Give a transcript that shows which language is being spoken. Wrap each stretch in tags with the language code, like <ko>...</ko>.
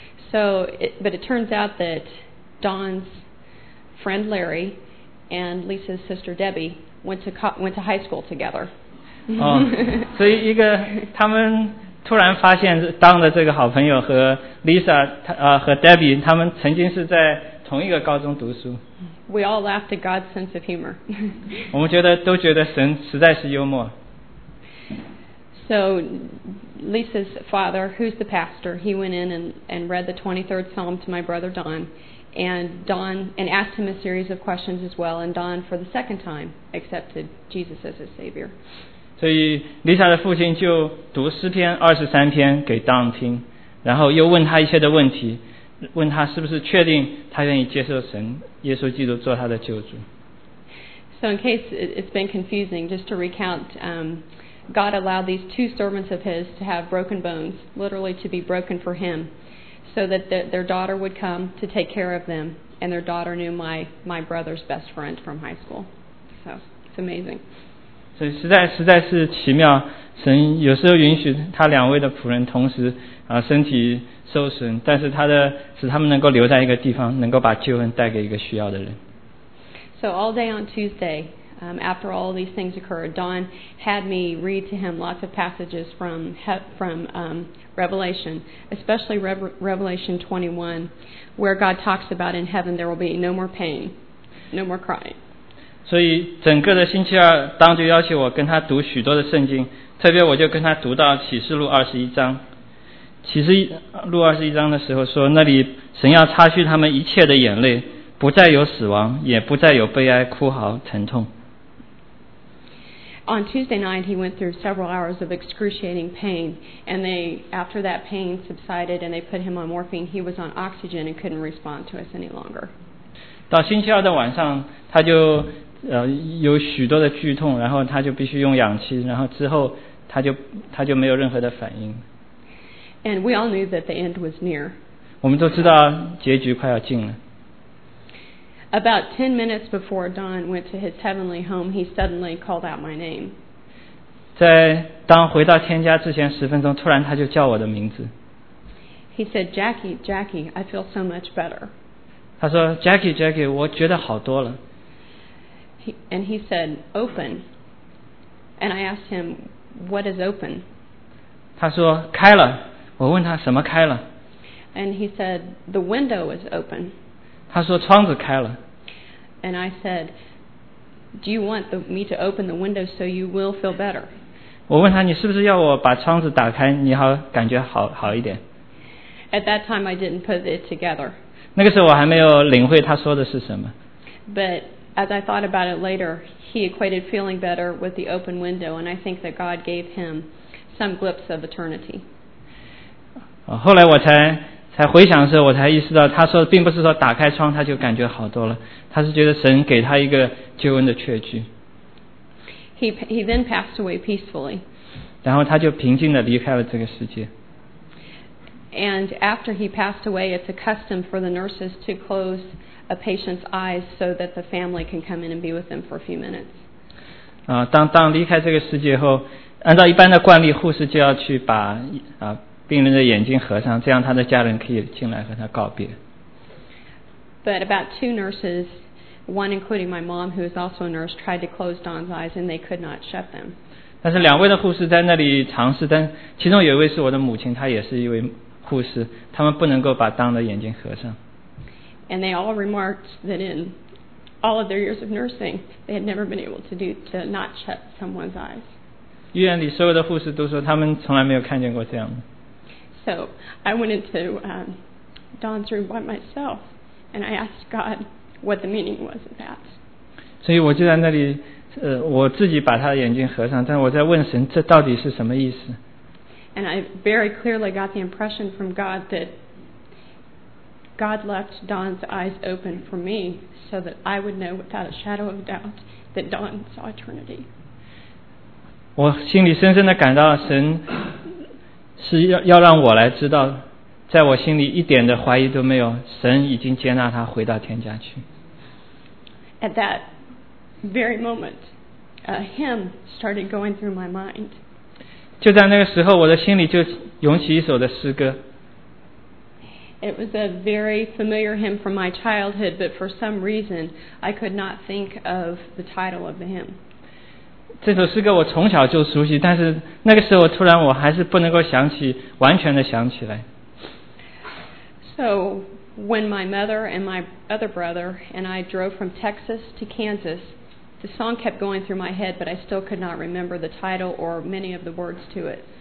<en>So, but it turns out that Don's friend Larry and Lisa's sister Debbie went to high school together.</en> <zh>所以一个他们突然发现 Don 的这个好朋友和 Lisa 和 Debbie 他们曾经是在同一个高中读书。</zh> <en>We all laughed at God's sense of humor.</en> <zh>我们都觉得神实在是幽默。</zh> <en>So Lisa's father, who's the pastor, he went in and read the 23rd Psalm to my brother Don, and asked him a series of questions as well, and Don, for the second time, accepted Jesus as his Savior.</en> <zh>所以 Lisa 的父亲就读诗篇23篇给 Don 听，然后又问他一些的问题，问他是不是确定他愿意接受神，耶稣基督做他的救主。</zh> <en>So in case it's been confusing, just to recount, God allowed these two servants of his to have broken bones, literally to be broken for him, so that their daughter would come to take care of them, and their daughter knew my brother's best friend from high school. So it's amazing.</en> <zh>所以实在是奇妙，神有时候允许他两位的仆人同时身体受损，但是他的使他们能够留在一个地方，能够把救恩带给一个需要的人。</zh> <en>So all day on Tuesday, after all of these things occurred, Don had me read to him lots of passages from Revelation, especially Revelation 21, where God talks about in heaven there will be no more pain, no more crying.</en> <zh>所以整个的星期二，当就邀请我跟他读许多的圣经，特别我就跟他读到启示录二十一章。启示录二十一章的时候说，那里神要擦去他们一切的眼泪，不再有死亡，也不再有悲哀、哭嚎、疼痛。</zh> <en>On Tuesday night, he went through several hours of excruciating pain, and they, after that pain subsided and they put him on morphine, he was on oxygen and couldn't respond to us any longer.</en> <zh>到星期二的晚上，他就有许多的剧痛，然后他就必须用氧气，然后之后他就没有任何的反应。</zh> <en>And we all knew that the end was near.</en> <zh>我们都知道结局快要近了。</zh> <en>About 10 minutes before Don went to his heavenly home, he suddenly called out my name.</en> <zh>在当回到天家之前十分钟，突然他就叫我的名字。</zh> <en>He said, "Jackie, Jackie, I feel so much better."</en> <zh>他说 ，Jackie, Jackie, 我觉得好多了。</zh> <en>And he said, "Open." And I asked him, "What is open?"</en> <zh>他说开了。我问他什么开了。</zh> <en>And he said, "The window is open."</en> <zh>他说窗子开了。</zh> <en>And I said, "Do you want me to open the window so you will feel better?"</en> <zh>我问他你是不是要我把窗子打开，你好感觉好一点。</zh> <en>At that time, I didn't put it together.</en> <zh>那个时候我还没有领会他说的是什么。</zh> <en>But as I thought about it later, he equated feeling better with the open window, and I think that God gave him some glimpse of eternity.</en> <zh>后来我才回想的时候，我才意识到他说并不是说打开窗他就感觉好多了，他是觉得神给他一个救恩的确据。</zh> <en>He then passed away peacefully.</en> <zh>然后他就平静地离开了这个世界。</zh> <en>And after he passed away, it's a custom for the nurses to close a patient's eyes so that the family can come in and be with them for a few minutes.</en> <zh>当离开这个世界后，按照一般的惯例，护士就要去把病人的眼睛合上，这样他的家人可以进来和他告别。</zh> <en>But about two nurses, one including my mom, who is also a nurse, tried to close Don's eyes, and they could not shut them.</en> <zh>但是两位的护士在那里尝试，但其中有一位是我的母亲，她也是一位护士，他们不能够把 Don 的眼睛合上。</zh> <en>And they all remarked that in all of their years of nursing, they had never been able to not shut someone's eyes.</en> <zh>医院里所有的护士都说，他们从来没有看见过这样的。</zh> <en>So I went into Don's room by myself, and I asked God what the meaning was of that.</en> <zh>所以我就在那里我自己把他的眼睛合上，但我在问神，这到底是什么意思？</zh> <en>And I very clearly got the impression from God that God left Don's eyes open for me so that I would know without a shadow of doubt that Don saw eternity.</en> <zh>我心里深深地感到神是 要让我来知道，在我心里一点的怀疑都没有，神已经接纳他回到天家去。</zh> <en>At that very moment, a hymn started going through my mind.</en> <zh>就在那个时候，我的心里就涌起一首的诗歌。</zh> <en>It was a very familiar hymn from my childhood, but for some reason, I could not think of the title of the hymn.</en> <zh>这首诗歌我从小就熟悉，但是那个时候突然我还是不能够想起，完全的想起来。</zh> <en>So, when my mother and my other brother and I drove from Texas to Kansas, the song kept going through my head, but I still could not remember the title or many of the words to it.</en>